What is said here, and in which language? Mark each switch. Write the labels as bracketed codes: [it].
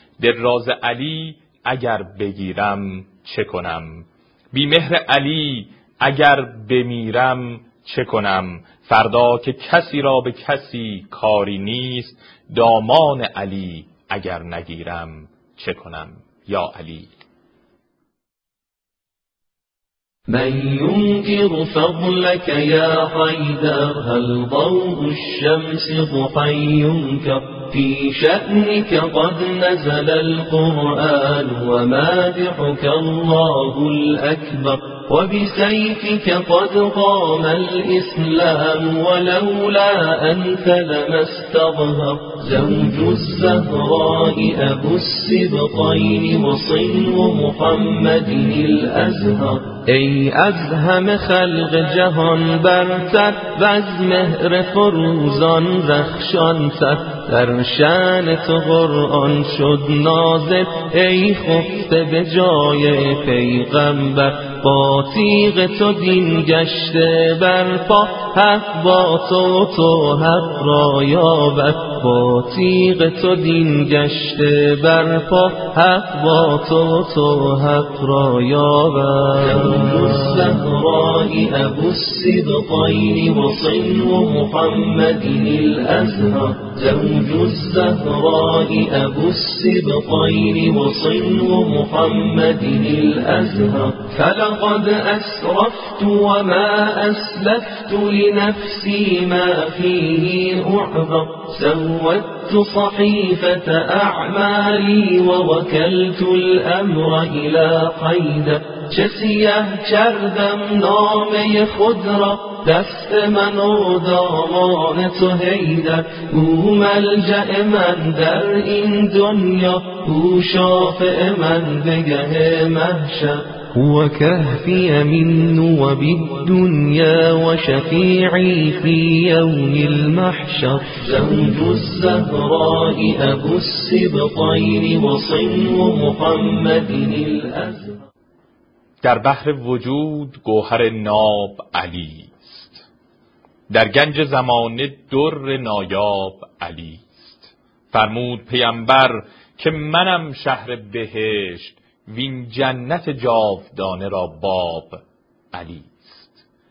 [fa] در راز علی اگر بگیرم چه کنم، بی مهر علی اگر بمیرم چه کنم، فردا که کسی را به کسی کاری نیست، دامان علی اگر نگیرم چه کنم. یا علی. [ar] من ينكر فضلك يا حيدر، هل ضوء الشمس ضحي في شأنك قد نزل القرآن، ومادحك الله الأكبر، وبسيفك قد قام الإسلام، ولولا أنت لما استظهر زوج الزهراء أبو السبطين وصين محمد الأزهر. [fa] ای از همه خلق جهان برتر، و از مهر فروزان رخشان تر، در شأن تو قرآن شد نازل، ای خفته به جای پیغمبر، با تیغ تو دین گشته برپا، حق با تو و تو حق را یابد، با تیغ تو دین گشته برپا، حق با تو و تو حق را یابد. [ar] الزهراء أبو السبطين وصين محمد الأزهر، زوج الزهراء أبو السبطين وصين محمد الأزهر. فلقد أسرفت وما أسلفت لنفسي ما فيه أعظم، سودت صحيفة أعمالي ووكلت الأمر إلى قيد، [fa] چه سیه کردم نامه خود را، دست من و دامان تو هیدر، او ملجأ من در این دنیا، او شافع من بگه محشر. [ar] هو كهفي من نوب الدنيا وشفيعي في يوم المحشر، زوج الزهراء أبو السبطين وصين محمد الأزهر. [fa] در بحر وجود گوهر ناب علی است، در گنج زمانه در نایاب علی است، فرمود پیامبر که منم شهر بهشت، وین جنت جاودانه را باب علی است.